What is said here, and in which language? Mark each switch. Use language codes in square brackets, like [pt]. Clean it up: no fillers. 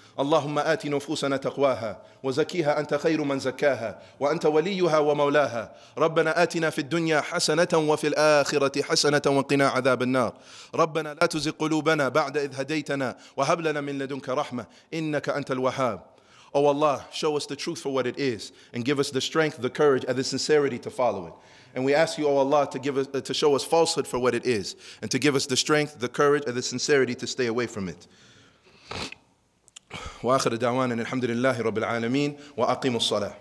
[ar] اللهم آت نفوسنا تقواها وزكيها، أنت خير من زكاها وأنت وليها ومولاها. ربنا آتنا في الدنيا حسنة وفي الآخرة حسنة وقنا عذاب النار. ربنا لا تزغ قلوبنا بعد إذ هديتنا وهب لنا من لدنك رحمة إنك أنت الوهاب. [en] Oh Allah, show us the truth for what it is, and give us the strength, the courage, and the sincerity to follow it. And we ask you, Oh Allah, to show us falsehood for what it is, and to give us the strength, the courage, and the sincerity to stay away from it. [ar] وآخر دعوانا الحمد لله رب العالمين وأقيم الصلاة.